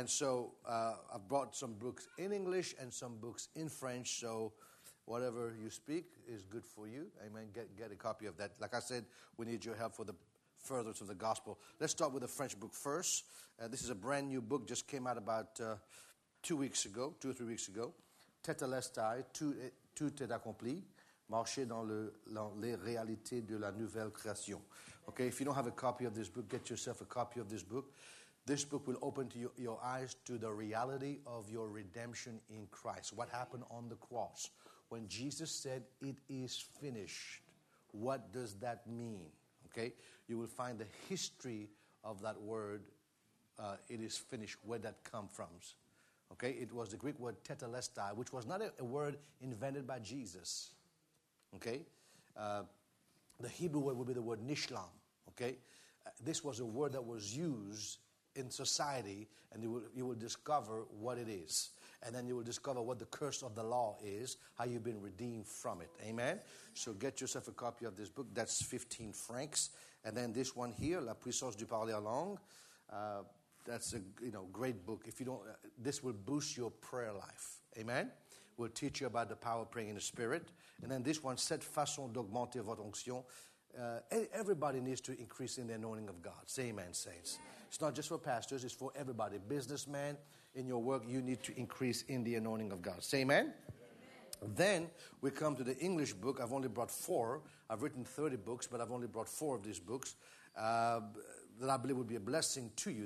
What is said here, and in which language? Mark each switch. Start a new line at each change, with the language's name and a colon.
English: And so I've brought some books in English and some books in French. So whatever you speak is good for you. Amen. Get a copy of that. Like I said, we need your help for the furtherance of the gospel. Let's start with the French book first. This is a brand new book. Just came out about 2 weeks ago, 2 or 3 weeks ago.
French: Tetelestai, tout est accompli. Marcher dans les réalités de la nouvelle création.
English: Okay, if you don't have a copy of this book, get yourself a copy of this book. This book will open to your eyes to the reality of your redemption in Christ. What happened on the cross? When Jesus said, "It is finished," what does that mean? Okay, you will find the history of that word, "it is finished," where that comes from. Okay, it was the Greek word tetelestai, which was not a word invented by Jesus. Okay, the Hebrew word would be the word nishlam. Okay, this was a word that was used in society, and you will discover what it is. And then you will discover what the curse of the law is, how you've been redeemed from it. Amen? So get yourself a copy of this book. That's 15 francs. And then this one here, La Puissance du Parler Langue. That's a great book. If you don't, this will boost your prayer life. Amen? We'll teach you about the power of praying in the Spirit. And then this one, Cette façon d'augmenter votre onction. Everybody needs to increase in the anointing of God. Say amen, saints. Amen. It's not just for pastors. It's for everybody. Businessman, in your work, you need to increase in the anointing of God. Say amen. Amen. Then we come to the English book. I've only brought four. I've written 30 books, but I've only brought four of these books that I believe would be a blessing to you.